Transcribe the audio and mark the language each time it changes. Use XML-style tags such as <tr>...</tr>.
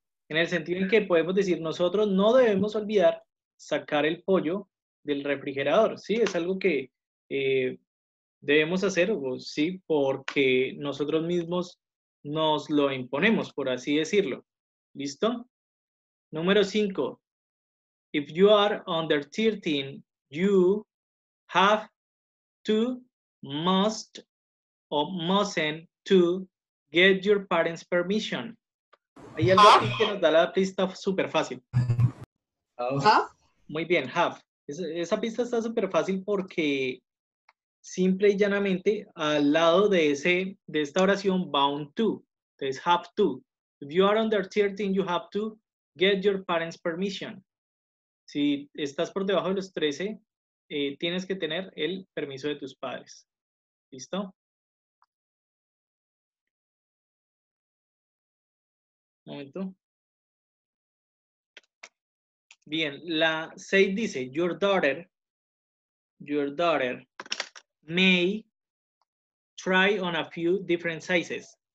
<es>En el sentido en que podemos decir nosotros no debemos olvidar sacar el pollo del refrigerador. Sí, es algo que... debemos hacer, sí, porque nosotros mismos nos lo imponemos, por así decirlo. ¿Listo? Número 5.</es> <en>If you are under 13, you have to, must, or mustn't to get your parents' permission.</en> <es>Hay algo aquí que nos da la pista súper fácil. Muy bien, have. Esa pista está súper fácil porque... simple y llanamente, al lado de esta oración va un to. Entonces, have to.</es> <en>If you are under 13, you have to get your parents' permission.</en> <es>Si estás por debajo de los 13, tienes que tener el permiso de tus padres. ¿Listo? Un momento. Bien, la 6 dice,</es> <en>your daughter, may try on a few different sizes.</en>